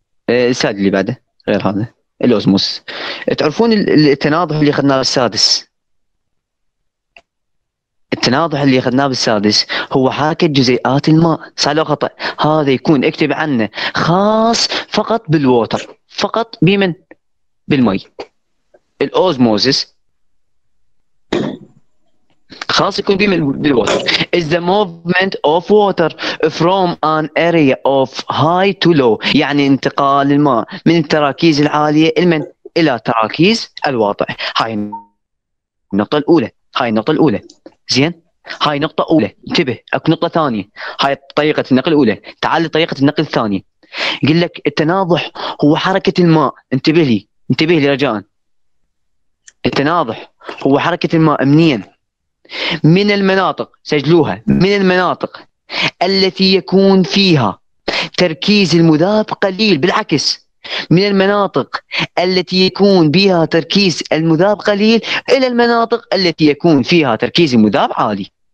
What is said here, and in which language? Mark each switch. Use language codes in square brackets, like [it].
[ar] السالي اللي بعده غير هذا الأوزموس. تعرفون التناضح اللي أخذناه بالسادس، التناضح اللي أخذناه بالسادس هو حركة جزيئات الماء، صح لو خطأ؟ هذا يكون اكتب عنه خاص فقط بالووتر، فقط بمن؟ بالمي. الأوزموسس خاص يكون بمن؟ بالووتر. [en] Is the movement of water from an area of high to low، [ar] يعني انتقال الماء من التراكيز العالية المن إلى تراكيز الواطع. هاي النقطة الأولى، هاي النقطة الأولى زين، هاي نقطة أولى. انتبه أكو نقطة ثانية، هاي طريقة النقل الأولى، تعال لطريقة النقل الثانية. يقول لك التناضح هو حركة الماء، انتبه لي رجاء. التناضح هو حركة الماء منين؟ من المناطق، سجلوها، من المناطق التي يكون فيها تركيز المذاب قليل، بالعكس من المناطق التي يكون بها تركيز المذاب قليل إلى المناطق التي يكون فيها تركيز المذاب عالي.